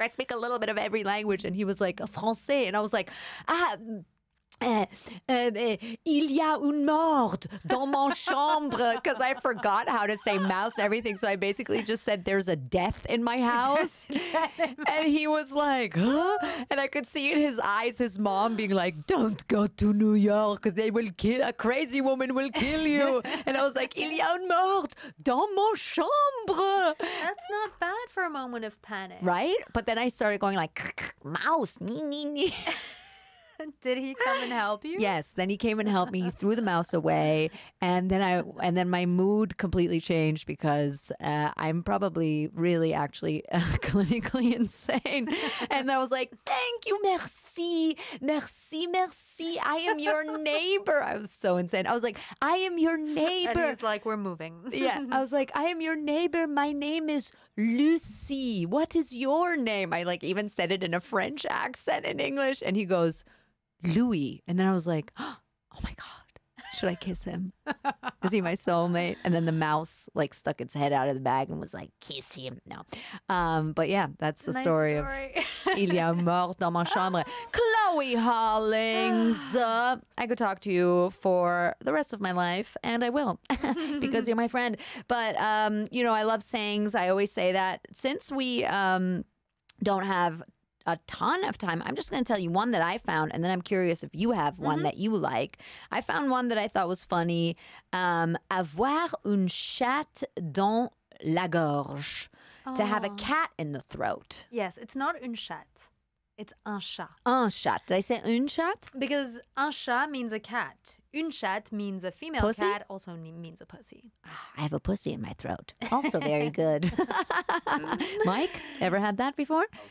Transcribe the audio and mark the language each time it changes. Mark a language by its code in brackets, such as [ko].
[en] I speak a little bit of every language. And he was like, Francais. And I was like, [fr] il y a une mort dans mon chambre, [en] because I forgot how to say mouse everything, so I basically just said there's a death in my house. And he was like, huh? And I could see in his eyes his mom being like, don't go to New York, they will kill, a crazy woman will kill you. And I was like, [fr] il y a une mort dans mon chambre. [en] That's not bad for a moment of panic, right? But then I started going like, mouse, nee, nee, nee. Did he come and help you? Yes. Then he came and helped me. He threw the mouse away. And then my mood completely changed because I'm probably really actually clinically insane. And I was like, thank you. [fr] Merci. Merci. Merci. [en] I am your neighbor. I was so insane. I was like, I am your neighbor. And he's like, we're moving. Yeah. I was like, I am your neighbor. My name is Lucie. What is your name? I like even said it in a French accent in English. And he goes, Louis. And then I was like, oh my God, should I kiss him? Is he my soulmate? And then the mouse like stuck its head out of the bag and was like, kiss him. No. But yeah, that's the nice story. Of [fr] il y a mort dans ma chambre. [en] Chloe Hollings. I could talk to you for the rest of my life and I will because you're my friend. But, you know, I love sayings. I always say that since we don't have a ton of time, I'm just going to tell you one that I found, and then I'm curious if you have one mm-hmm. that you like. I found one that I thought was funny. [fr] Avoir une chatte dans la gorge. Oh. [en] To have a cat in the throat. Yes, it's not [fr] une chatte. [en] It's [fr] un chat. Un chat. [en] Did I say [fr] une chatte? [en] Because [fr] un chat [en] means a cat. [fr] Une chatte [en] means a female pussy? Cat, also means a pussy. I have a pussy in my throat. Also very good. Mike, ever had that before?